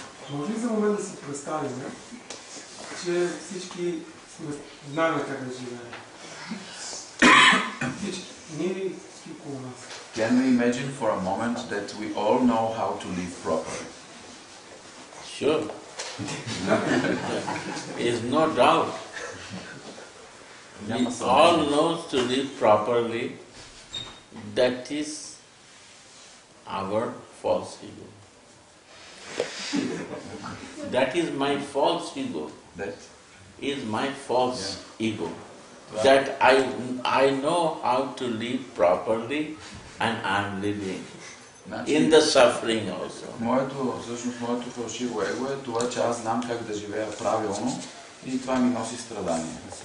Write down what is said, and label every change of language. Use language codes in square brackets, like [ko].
[bg] Може ли за момент да си представим, че всички знаем как да живеем? [en] Can we imagine for a moment that we all know how to live properly? Sure. It's no doubt. We all know to live properly, that is our false ego. That is my false ego. That is my false ego. That I know how to live properly and I'm living in the suffering also. [bg] Моето, всъщност, моето фалшиво его е това, че аз знам как да живея правилно и това ми носи страдания.